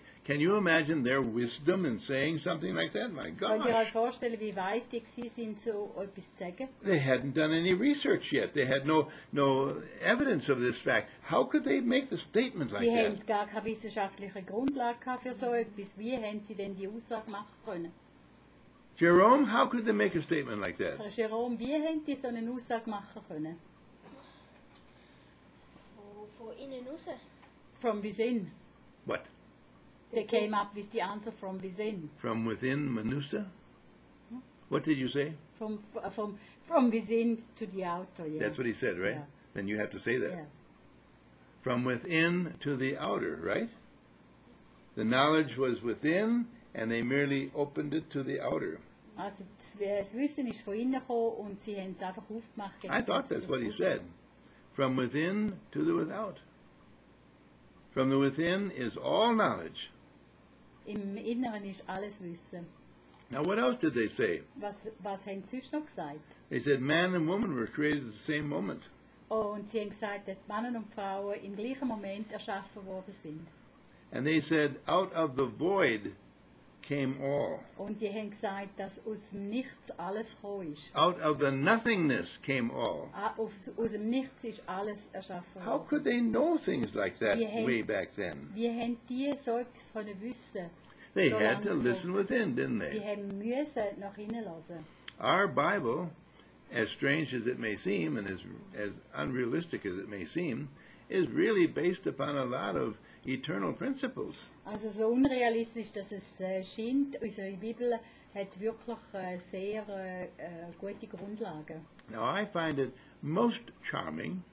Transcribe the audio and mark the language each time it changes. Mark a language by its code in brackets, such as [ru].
[en] Can you imagine their wisdom in saying something like that? My gosh. [de] Könnt ihr euch vorstellen, wie weise die gewesen sind, so etwas zu sagen? [en] They hadn't done any research yet. They had no evidence of this fact. How could they make the statement like [de] die [en] that? [de] Die haben gar keine wissenschaftliche Grundlage für so etwas. Wie haben sie denn die Aussage machen können? [en] Jerome, how could they make a statement like that? [de] Jerome, wie haben die so eine Aussage machen können? Von innen raus. [en] From within. What? They came up with the answer from within. From within Manusa? What did you say? From within to the outer, yeah. That's what he said, right? Yeah. Then you have to say that. Yeah. From within to the outer, right? Yes. The knowledge was within, and they merely opened it to the outer. [de] Also, das Wissen ist von innen gekommen und sie haben es einfach aufgemacht. [en] I thought that's what he said. From within to the without. From the within is all knowledge. [de] Im Inneren ist alles Wissen. [en] Now what else did they say? [de] Was haben sie sonst noch gesagt? [en] They said man and woman were created at the same moment. [de] Oh, und sie haben gesagt, dass Männer und Frauen im gleichen Moment erschaffen worden sind. [en] And they said out of the void came all. [de] Und sie haben gesagt, dass aus dem Nichts alles gekommen ist. [en] Out of the nothingness came all. [de] Aus dem Nichts ist alles erschaffen worden. [en] How could they know things like that way back then? [de] Wie haben die so etwas können wissen? [en] They had to listen within, didn't they? [de] Die haben müssen nach innen lassen. [en] Our Bible, as strange as it may seem and as unrealistic as it may seem, is really based upon a lot of eternal principles. [de] Also so unrealistisch, dass es scheint, unsere Bibel hat wirklich sehr gute Grundlagen. [en] Now I find it most charming.